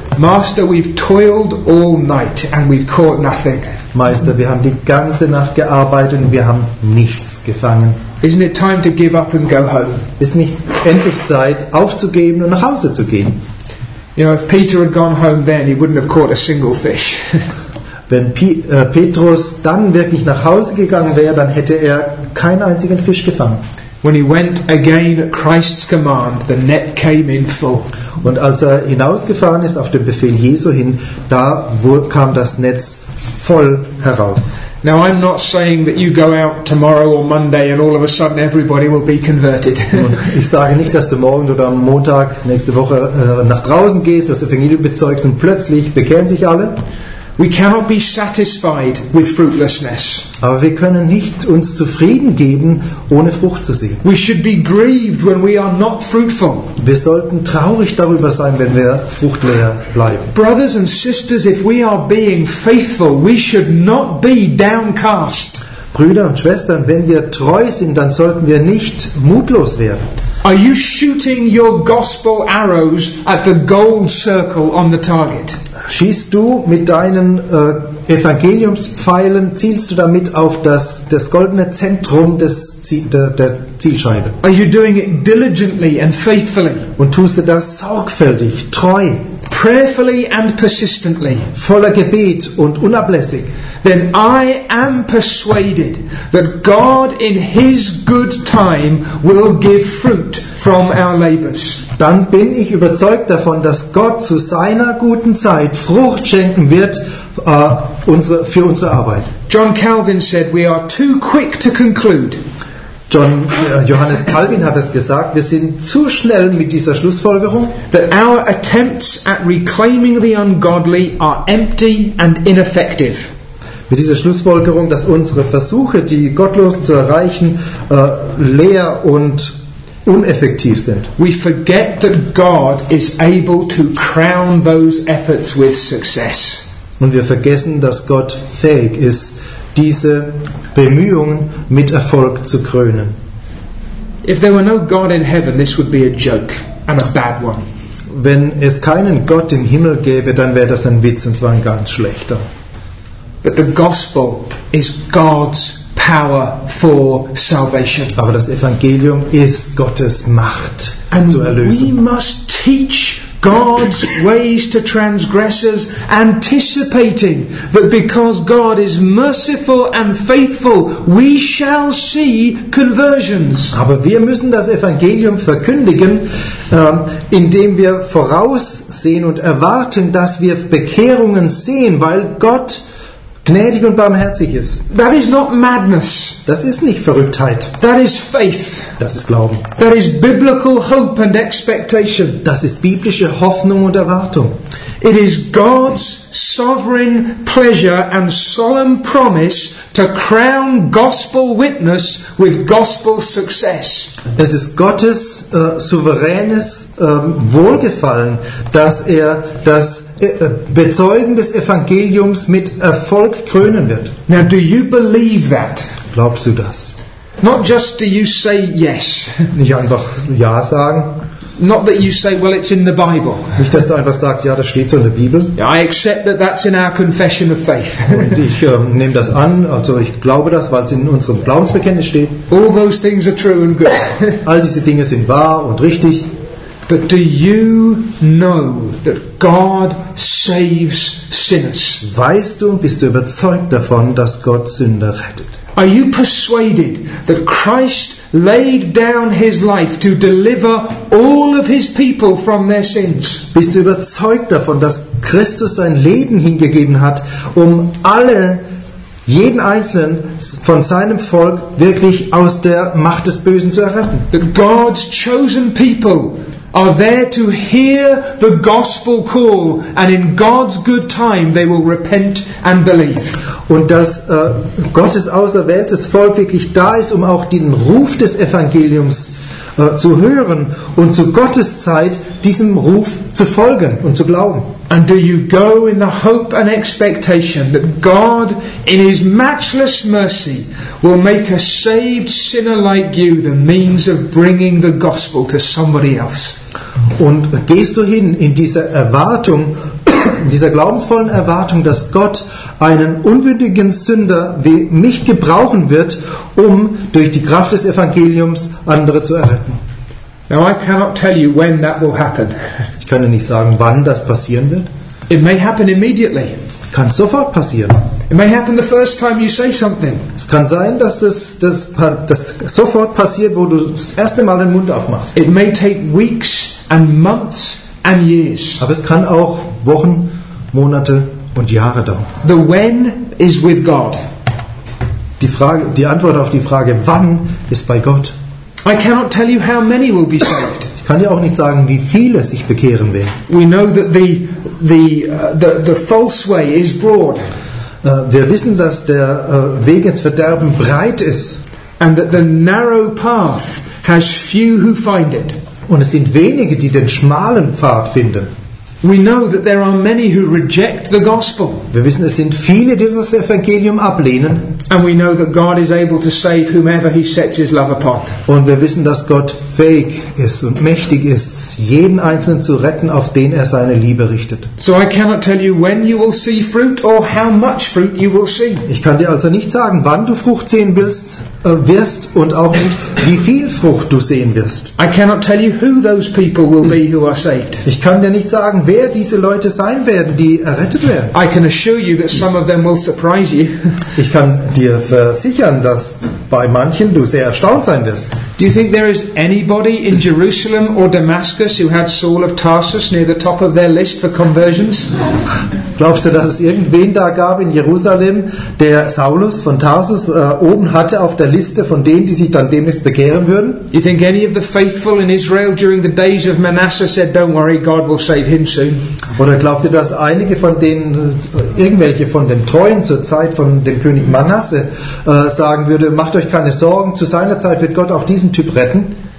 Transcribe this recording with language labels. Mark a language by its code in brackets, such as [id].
[en] Master, we've toiled all night and we've caught nothing. [de] Meister, wir haben die ganze Nacht gearbeitet und wir haben nichts gefangen. [en] Isn't it time to give up and go home? [de] Ist nicht endlich Zeit aufzugeben und nach Hause zu gehen? [en] You know, if Peter had gone home then, he wouldn't have caught a single fish. [de] Wenn Petrus dann wirklich nach Hause gegangen wäre, dann hätte er keinen einzigen Fisch gefangen. [en] When he went again at Christ's command, the net came in full. [de] Und als er hinausgefahren ist auf den Befehl Jesu hin, da kam das Netz voll heraus. [en] Now I'm not saying that you go out tomorrow or Monday and all of a sudden everybody will be converted. [de] Ich sage nicht, dass du morgen oder am Montag nächste Woche nach draußen gehst, das Evangelium bezeugst und plötzlich bekehren sich alle. [en] We cannot be satisfied with fruitlessness. [de] Aber wir können nicht uns zufrieden geben, ohne Frucht zu sehen. [en] We should be grieved when we are not fruitful. [de] Wir sollten traurig darüber sein, wenn wir fruchtleer bleiben. [en] Brothers and sisters, if we are being faithful, we should not be downcast. [de] Brüder und Schwestern, wenn wir treu sind, dann sollten wir nicht mutlos werden. [en] Are you shooting your gospel arrows at the gold circle on the target? [de] Schießt du mit deinen Evangeliumspfeilen, zielst du damit auf das goldene Zentrum der Zielscheibe? [en] Are you doing it diligently and faithfully? [de] Und tust du das sorgfältig, treu? [en] Prayerfully and persistently. [de] Voller Gebet und unablässig. [en] Then I am persuaded that God in his good time will give fruit from our labors. [de] Dann bin ich überzeugt davon, dass Gott zu seiner guten Zeit Frucht schenken wird für unsere Arbeit. [en] John Calvin said we are too quick to conclude. [de] Johannes Calvin hat es gesagt, wir sind zu schnell mit dieser Schlussfolgerung. [en] That our attempts at reclaiming the ungodly are empty and ineffective. [de] Mit dieser Schlussfolgerung, dass unsere Versuche, die Gottlosen zu erreichen, leer und uneffektiv sind. [en] We forget that God is able to crown those efforts with success. [de] Und wir vergessen, dass Gott fähig ist, diese Bemühungen mit Erfolg zu krönen. [en] If there were no God in heaven, this would be a joke and a bad one. [de] Wenn es keinen Gott im Himmel gäbe, dann wäre das ein Witz und zwar ein ganz schlechter. [en] But the gospel is God's power for salvation. [de] Aber das Evangelium ist Gottes Macht zur Erlösung. [en] And we must teach God's ways to transgressors, anticipating that because God is merciful and faithful, we shall see conversions. [de] Aber wir müssen das Evangelium verkündigen, indem wir voraussehen und erwarten, dass wir Bekehrungen sehen, weil Gott gnädig und barmherzig ist. [en] That is not madness. [de] Das ist nicht Verrücktheit. [en] That is faith. [de] Das ist Glauben. [en] That is biblical hope and expectation. [de] Das ist biblische Hoffnung und Erwartung. [en] It is God's sovereign pleasure and solemn promise to crown gospel witness with gospel success. [de] Es ist Gottes souveränes Wohlgefallen, dass er das Bezeugen des Evangeliums mit Erfolg krönen wird. [en] Now, do you believe that? [de] Glaubst du das? [en] Not just do you say yes. [de] Nicht einfach ja sagen. [en] Not that you say, well, it's in the Bible. [de] Nicht, dass du einfach sagst, ja, das steht so in der Bibel. [en] Yeah, I accept that that's in our confession of faith. [de] Und ich nehme das an, also ich glaube das, weil es in unserem Glaubensbekenntnis steht. [en] All those things are true and good. [de] All diese Dinge sind wahr und richtig. [en] But do you know that God saves sinners? [de] Weißt du und bist du überzeugt davon, dass Gott Sünder rettet? [en] Are you persuaded that Christ laid down his life to deliver all of his people from their sins? [de] Bist du überzeugt davon, dass Christus sein Leben hingegeben hat, um alle, jeden Einzelnen von seinem Volk wirklich aus der Macht des Bösen zu erretten? [en] That God's chosen people are there to hear the gospel call and in God's good time they will repent and believe. [de] Und dass Gottes auserwähltes Volk wirklich da ist, um auch den Ruf des Evangeliums zu hören und zu Gottes Zeit diesem Ruf zu folgen und zu glauben. [en] And do you go in the hope and expectation that God in his matchless mercy will make a saved sinner like you the means of bringing the gospel to somebody else? [de] Und gehst du hin in dieser Erwartung, in dieser glaubensvollen Erwartung, dass Gott einen unwürdigen Sünder wie mich gebrauchen wird, um durch die Kraft des Evangeliums andere zu erretten? [en] Now I cannot tell you when that will happen. [de] Ich kann dir nicht sagen, wann das passieren wird. [en] It may happen immediately. [de] Kann sofort passieren. [en] It may happen the first time you say something. [de] Es kann sein, dass das sofort passiert, wo du das erste Mal den Mund aufmachst. [en] It may take weeks and months and years. [de] Aber es kann auch Wochen, Monate und Jahre dauern. [en] The when is with God. [de] Die Antwort auf die Frage, wann, ist bei Gott. [en] I cannot tell you how many will be saved. [de] Ich kann dir auch nicht sagen, wie viele sich bekehren werden. [en] We know that the false way is broad. [de] Wir wissen, dass der Weg ins Verderben breit ist. [en] And that the narrow path has few who find it. [de] Und es sind wenige, die den schmalen Pfad finden. [en] We know that there are many who reject the gospel. [de] Wir wissen, es sind viele, die das Evangelium ablehnen. [en] And we know that God is able to save whomever he sets his love upon. [de] Und wir wissen, dass Gott fähig ist und mächtig ist, jeden einzelnen zu retten, auf den er seine Liebe richtet. [en] So I cannot tell you when you will see fruit or how much fruit you will see. [de] Ich kann dir also nicht sagen, wann du Frucht sehen wirst und auch nicht, wie viel Frucht du sehen wirst. [en] I cannot tell you who those people will be who are saved. [de] Ich kann dir nicht sagen, wer diese Leute sein werden, die errettet werden. [en] I can assure you that some of them will surprise you. [de] Ich kann dir versichern, dass bei manchen du sehr erstaunt sein wirst. [en] Do you think there is anybody in Jerusalem or Damascus who had Saul of Tarsus near the top of their list for conversions? [de] Glaubst du, dass es irgendwen da gab in Jerusalem, der Saulus von Tarsus oben hatte auf der Liste von denen, die sich dann demnächst bekehren würden? [en] You think any of the faithful in Israel during the days of Manasseh said, "Don't worry, God will save him soon"? [de] Oder glaubt ihr, dass einige von denen, irgendwelche von den Treuen zur Zeit von dem König Manasseh sagen würde, macht euch keine Sorgen, zu seiner Zeit wird Gott auch diesen Typ retten?